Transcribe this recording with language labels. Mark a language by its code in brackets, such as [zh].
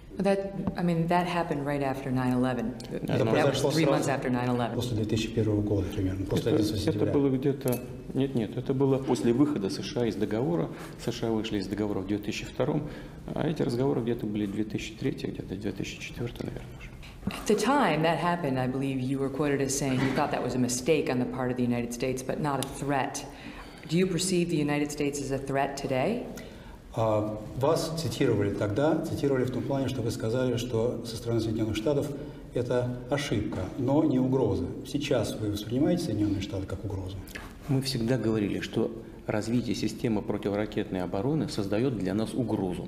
[en] That happened right after 9/11. [ru] Это произошло [en] three months after 9/11. [ru] После 2001 года примерно, после 11 сентября. Это было где-то... Нет, это было после выхода США из договора. США вышли из договора в 2002, а эти разговоры где-то были 2003, где-то 2004, наверное. [en] At the time that happened, I believe you were quoted as saying you thought that was a mistake on the part of the United States, but not a threat. Do you perceive the United States as a threat today? [ru] Вас цитировали тогда, цитировали в том плане, что вы сказали, что со стороны Соединенных Штатов это ошибка, но не угроза. Сейчас вы воспринимаете Соединенные Штаты как угрозу? Мы всегда говорили, что развитие системы противоракетной обороны создает для нас угрозу.